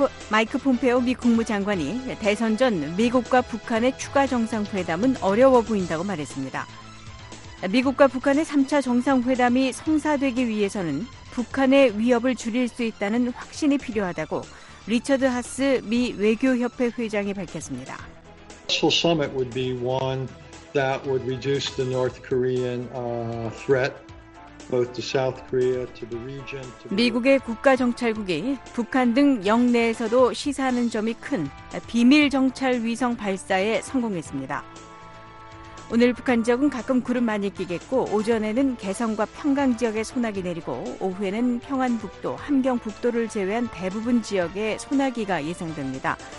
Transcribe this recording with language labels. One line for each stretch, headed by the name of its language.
Korean: 마이크 폼페오 미 국무장관이 대선 전 미국과 북한의 추가 정상회담은 어려워 보인다고 말했습니다. 미국과 북한의 3차 정상회담이 성사되기 위해서는 북한의 위협을 줄일 수 있다는 확신이 필요하다고 리처드 하스 미 외교협회 회장이 밝혔습니다.
English: Summit would be one that would reduce the North Korean threat both to South Korea to the region.
Korean: 미국의 국가 정찰국이 북한 등 영내에서도 시사하는 점이 큰 비밀 정찰 위성 발사에 성공했습니다. 오늘 북한 지역은 가끔 구름 많이 끼겠고 오전에는 개성과 평강 지역에 소나기 내리고 오후에는 평안북도, 함경북도를 제외한 대부분 지역에 소나기가 예상됩니다.